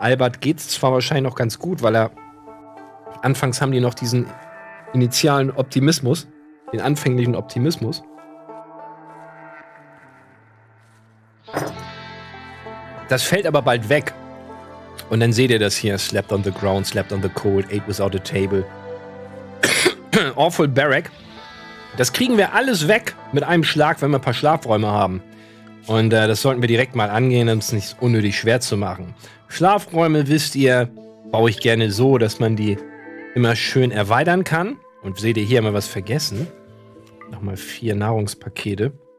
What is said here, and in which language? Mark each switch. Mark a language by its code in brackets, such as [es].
[de] Albert geht es zwar wahrscheinlich noch ganz gut, weil er anfangs haben die noch diesen initialen Optimismus, den anfänglichen Optimismus. Das fällt aber bald weg. Und dann seht ihr das hier. [en] Slept on the ground, slept on the cold, ate without a table. Awful barrack. [de] Das kriegen wir alles weg mit einem Schlag, wenn wir ein paar Schlafräume haben. Und das sollten wir direkt mal angehen, um es nicht unnötig schwer zu machen. Schlafräume, wisst ihr, baue ich gerne so, dass man die immer schön erweitern kann. Und seht ihr, hier haben wir was vergessen. Nochmal 4 Nahrungspakete.